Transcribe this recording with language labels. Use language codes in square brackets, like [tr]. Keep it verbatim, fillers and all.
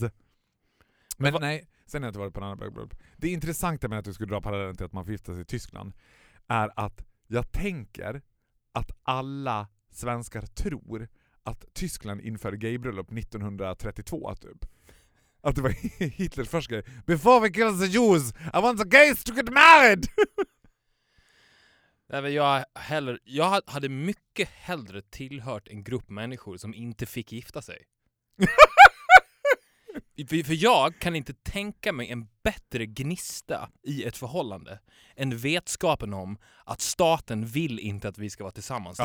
[sv] Men, Men va- nej, sen har jag inte varit på en annan bögbröllop. Det intressanta med att du skulle dra parallellen till att man förgiftas i Tyskland är att jag tänker att alla svenskar tror att Tyskland inför gaybröllop nittonhundratrettiotvå typ. Att det var Hitlers första grej. [en] Before we kill the Jews, I want the gays to get married! [sv] Nej, jag, hellre, jag hade mycket hellre tillhört en grupp människor som inte fick gifta sig. för, för jag kan inte tänka mig en bättre gnista i ett förhållande än vetskapen om att staten vill inte att vi ska vara tillsammans. Ja.